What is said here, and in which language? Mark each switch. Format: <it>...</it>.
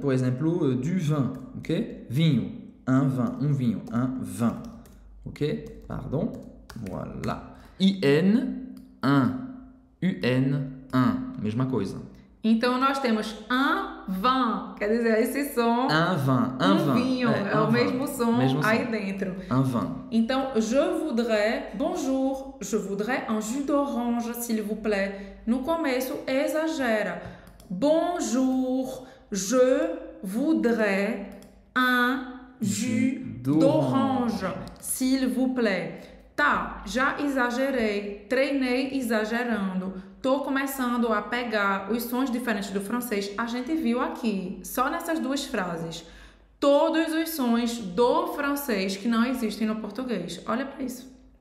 <pt>Por exemplo,</pt> <fr>du vin.</fr> <pt>Ok? Vinho.</pt> <fr>Un vin.</fr> <pt>Um vinho. Un vin. Ok?</pt> <fr>Pardon. Voilà.</fr> <pt>I-N, un. U-N, un. Mesma coisa. Então, nós temos</pt> <fr>un vin,</fr> <pt>quer dizer, esse som.</pt> <fr>Un vin. Un</fr> <pt>um</pt> <fr>vin.</fr> <pt>Vinho. É o mesmo som, aí dentro.</pt> <fr>Un vin.</fr> <pt>Então,</pt> <fr>je voudrais, bonjour, je voudrais un jus d'orange, s'il vous plaît.</fr> <pt>No começo, exagera.</pt> <fr>Bonjour, je voudrais un jus d'orange, s'il vous plaît.</fr> <pt>Tá, já exagerei, treinei exagerando, tô começando a pegar os sons diferentes do francês. A gente viu aqui, só nessas duas frases, todos os sons do francês que não existem no português. Olha pra isso.</pt>